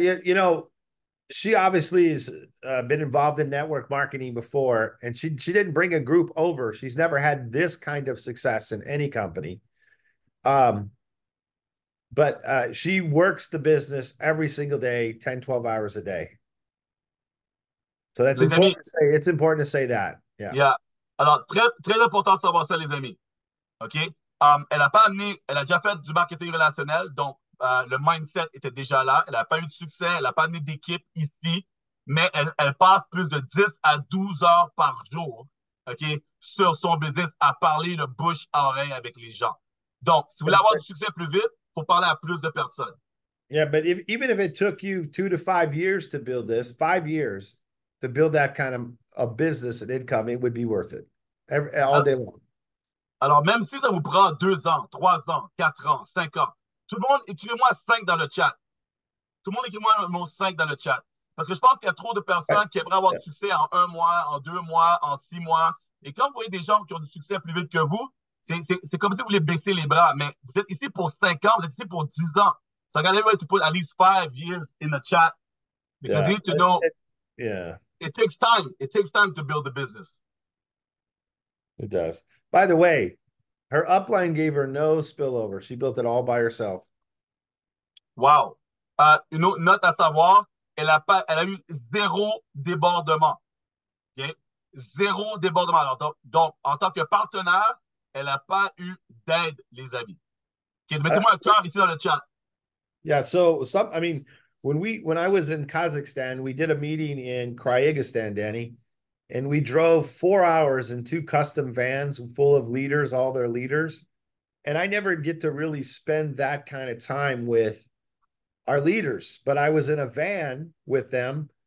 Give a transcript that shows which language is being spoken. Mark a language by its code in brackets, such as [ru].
[en] You know, she obviously has been involved in network marketing before, and she didn't bring a group over. She's never had this kind of success in any company. But she works the business every single day, 10, 12 hours a day. So that's important to say that. Yeah. Yeah. [fr] Alors, très, très important de savoir ça, les amis. OK? Elle a déjà fait du marketing relationnel. Donc, le mindset était déjà là. Elle n'a pas eu de succès. Elle n'a pas amené d'équipe ici. Mais elle passe plus de 10 à 12 heures par jour OK, sur son business à parler de bouche à oreille avec les gens. Donc, si vous voulez avoir du succès plus vite, il faut parler à plus de personnes. [en] Yeah, but if, even if it took you 2 to 5 years to build this, 5 years to build that kind of a business and income, it would be worth it all day long. [fr] Alors, même si ça vous prend 2 ans, 3 ans, 4 ans, 5 ans, tout le monde, écrivez-moi 5 dans le chat. Tout le monde, écrivez-moi le mot 5 dans le chat. Parce que je pense qu'il y a trop de personnes qui aimeraient avoir du succès en 1 mois, en 2 mois, en 6 mois. Et quand vous voyez des gens qui ont du succès plus vite que vous, c'est comme si vous voulez baisser les bras. Mais vous êtes ici pour 5 ans, vous êtes ici pour 10 ans. [en] So [fr] regardez-moi, tu peux [en] at least 5 years in the chat. Because you need to know, it takes time. It takes time to build a business. It does. By the way, her upline gave her no spillover. She built it all by herself. Wow. [fr] Une autre note à savoir, elle a eu zéro débordement. Okay? Zéro débordement. Donc, en tant que partenaire, elle n'a pas eu d'aide, les amis. Okay, mettez-moi un cœur ici dans le chat. [en] Yeah, so some, I mean, when I was in Kazakhstan, we did a meeting in Kyrgyzstan, Danny, and we drove 4 hours in 2 custom vans full of leaders, all their leaders. And I never get to really spend that kind of time with our leaders, but I was in a van with them.